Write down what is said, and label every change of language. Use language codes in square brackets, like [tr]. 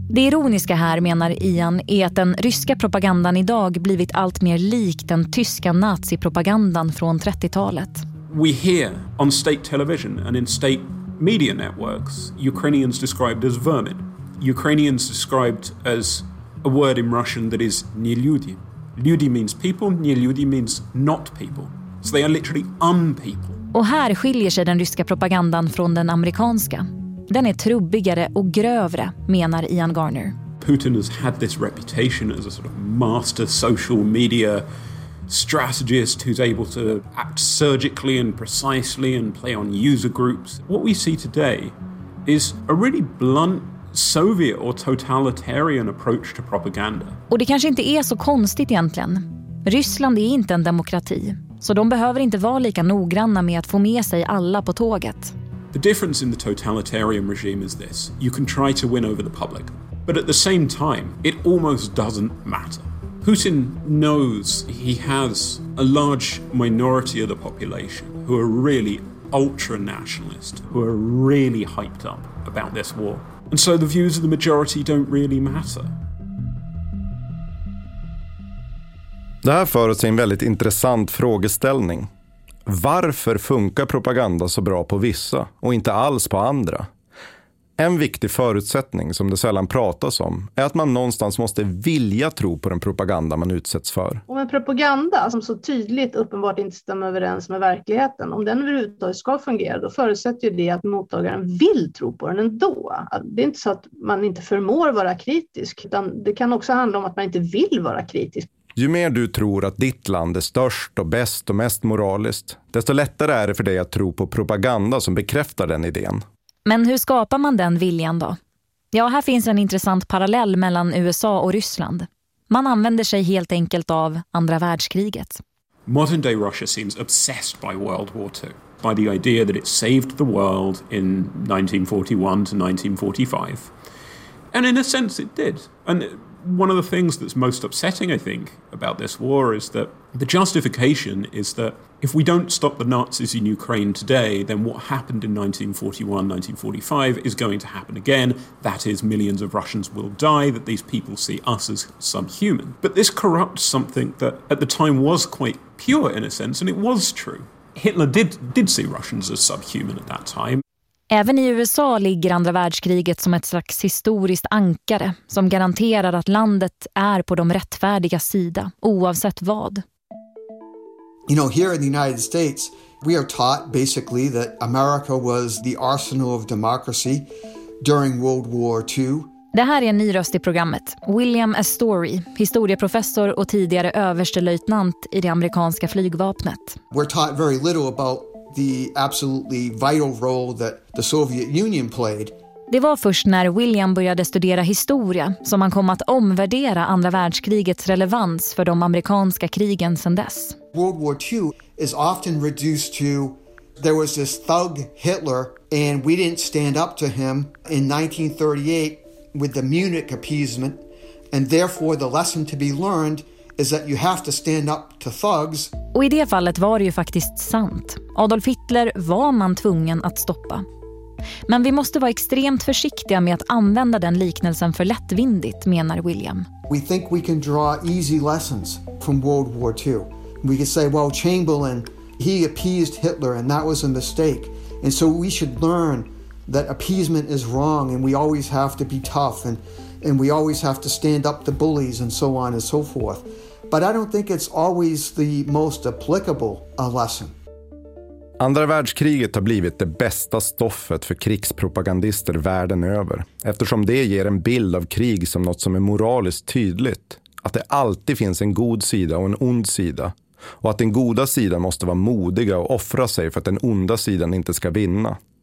[sv] Det ironiska här, menar Ian, är att den ryska propagandan idag blivit allt mer lik den tyska nazipropagandan från 30-talet. [en] We hear on state television and in state media networks Ukrainians described as vermin. Ukrainians described as a word in Russian that is nelyudy. Lyudy means people, nelyudy means not people. So they are literally unpeople. [sv] Och här skiljer sig den ryska propagandan från den amerikanska. Den är trubbigare och grövre, menar Ian Garner. [en] Putin has had this reputation as a sort of master social media strategist who's able to act surgically and precisely and play on user groups. What we see today is a really blunt Soviet or totalitarian approach to propaganda. [sv] Och det kanske inte är så konstigt egentligen. Ryssland är inte en demokrati, så de behöver inte vara lika noggranna med att få med sig alla på tåget. [en] The difference in the totalitarian regime is this. You can try to win over the public, but at the same time, it almost doesn't matter. Putin knows he has a large minority of the population who are really ultra-nationalist, who are really hyped up about this war. And so the views of the majority don't really matter. [sv] Det här för oss en väldigt intressant frågeställning. Varför funkar propaganda så bra på vissa och inte alls på andra? En viktig förutsättning som det sällan pratas om är att man någonstans måste vilja tro på den propaganda man utsätts för. Om en propaganda som så tydligt uppenbart inte stämmer överens med verkligheten, om den överhuvudtaget ska fungera, då förutsätter ju det att mottagaren vill tro på den ändå. Det är inte så att man inte förmår vara kritisk, utan det kan också handla om att man inte vill vara kritisk. Ju mer du tror att ditt land är störst och bäst och mest moraliskt, desto lättare är det för dig att tro på propaganda som bekräftar den idén. Men hur skapar man den viljan då? Ja, här finns en intressant parallell mellan USA och Ryssland. Man använder sig helt enkelt av andra världskriget. [en] Modern day Russia seems obsessed by World War II, by the idea that it saved the world in 1941 to 1945. And in a sense it did. And one of the things that's most upsetting, I think, about this war is that the justification is that if we don't stop the Nazis in Ukraine today, then what happened in 1941, 1945 is going to happen again. That is, millions of Russians will die, that these people see us as subhuman. But this corrupts something that at the time was quite pure in a sense, and it was true. Hitler did see Russians as subhuman at that time. [sv] Även i USA ligger andra världskriget som ett slags historiskt ankare som garanterar att landet är på de rättfärdiga sida, oavsett vad. [en] You know, here in the United States, we are taught basically that America was the arsenal of democracy during World War II. [sv] Det här är en ny röst i programmet, William S. Story, historieprofessor och tidigare överstelöjtnant i det amerikanska flygvapnet. [en] We're taught very little about the absolutely vital role that the Soviet Union played. [sv] Det var först när William började studera historia som han kom att omvärdera andra världskrigets relevans för de amerikanska krigen sedan dess. [en] World War II is often reduced to there was this thug Hitler and we didn't stand up to him in 1938 with the Munich appeasement, and therefore the lesson to be learned is that you have to stand up to thugs. [sv] Och i det fallet var det ju faktiskt sant. Adolf Hitler var man tvungen att stoppa. Men vi måste vara extremt försiktiga med att använda den liknelsen för lättvindigt, menar William. [en] We think we can draw easy lessons from World War II. We could say, well, Chamberlain, he appeased Hitler and that was a mistake. And so we should learn that appeasement is wrong and we always have to be tough and we always have to stand up to bullies and so on and so forth. But I don't think it's always the most applicable lesson. [sv] Andra världskriget har blivit det bästa stoffet för krigspropagandister världen över, eftersom det ger en bild av krig som något som är moraliskt tydligt, att det alltid finns en god sida och en ond sida, och att den goda sidan måste vara modiga och offra sig för att den onda sidan inte ska vinna.